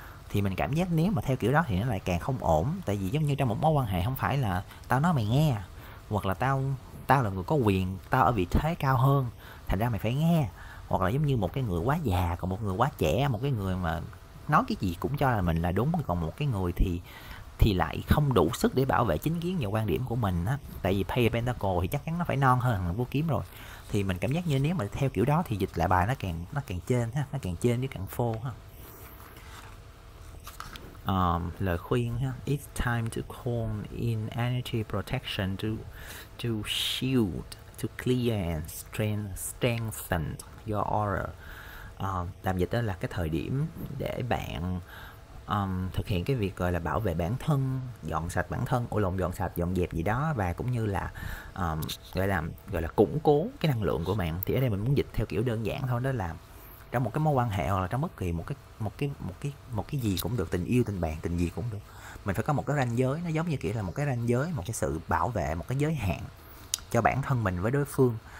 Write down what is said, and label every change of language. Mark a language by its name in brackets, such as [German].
[Vietnamese] Thì mình cảm giác nếu mà theo kiểu đó thì nó lại càng không ổn, tại vì giống như trong một mối quan hệ không phải là tao nói mày nghe, hoặc là tao tao là người có quyền, tao ở vị thế cao hơn thành ra mày phải nghe, hoặc là giống như một cái người quá già còn một người quá trẻ, một cái người mà nói cái gì cũng cho là mình là đúng, còn một cái người thì lại không đủ sức để bảo vệ chính kiến và quan điểm của mình á. Tại vì Pay Pentacle thì chắc chắn nó phải non hơn thằng vua kiếm rồi, thì mình cảm giác như nếu mà theo kiểu đó thì dịch lại bài nó càng trên ha, nó càng trên với càng phô ha. Lời khuyên ha, [English] it's time to call in energy protection to shield, to clear and strengthen your aura. [Vietnamese] Tạm dịch đó là cái thời điểm để bạn thực hiện cái việc gọi là bảo vệ bản thân, dọn sạch bản thân, ủi lộn, dọn sạch dọn dẹp gì đó, và cũng như là gọi là củng cố cái năng lượng của bạn. Thì ở đây mình muốn dịch theo kiểu đơn giản thôi, đó là trong một cái mối quan hệ hoặc là trong bất kỳ một cái gì cũng được, tình yêu, tình bạn, tình gì cũng được, mình phải có một cái ranh giới, nó giống như kiểu là một cái ranh giới, một cái sự bảo vệ, một cái giới hạn cho bản thân mình với đối phương.